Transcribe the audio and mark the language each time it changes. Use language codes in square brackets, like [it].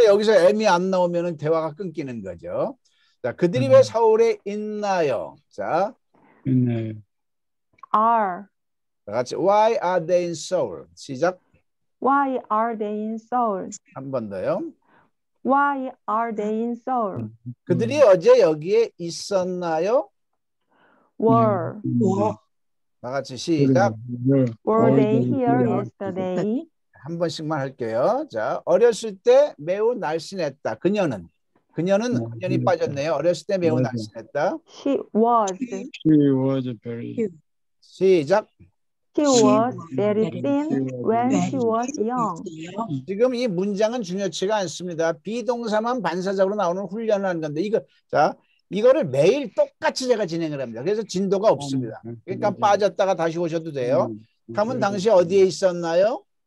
[ko] 여기서 M이 안 나오면은 대화가 끊기는 거죠. 자, 그들이 왜 서울에 있나요? 자, 있나요? [en] Are. [ko] 나 같이 [en] Why are they in Seoul? [ko] 시작. [en] Why are they in Seoul? [ko] 한 번 더요. [en] Why are they in Seoul? [ko] 그들이 어제 여기에 있었나요? [en] Were. [ko] 다 같이 시작. [en] Were they here yesterday? [ko] 한 번씩만 할게요. 자, 어렸을 때 매우 날씬했다. 그녀는 완전히 빠졌네요. 어렸을 때 매우 날씬했다. [en] She was. She was very. [ko] 시작. She was very thin when she was young. 지금 이 문장은 중요치가 않습니다. 비동사만 반사적으로 나오는 훈련을 하는 건데 이거 자 이거를 매일 똑같이 제가 진행을 합니다. 그래서 진도가 없습니다. 그러니까 빠졌다가 다시 오셔도 돼요. 탐은 당시 어디에 있었나요?